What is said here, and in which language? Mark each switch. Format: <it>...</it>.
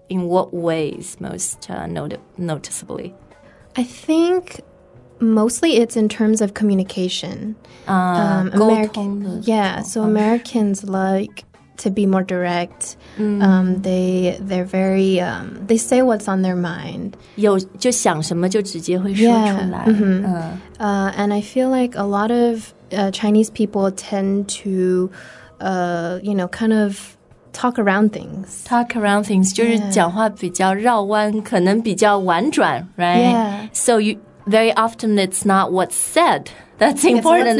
<en>In what ways most noticeably? I think mostly it's in terms of communication. Americans like to be more direct. They're very, they say what's on their mind.</en> <zh>就想什么就直接会说出来。</zh> <en>And I feel like a lot of Chinese people tend to, you know, kind of,Talk around things,</en> <zh>就是讲话比较绕弯，可能比较婉转 right?</zh> <en>Yeah. So very often it's not what's said that's important.</en>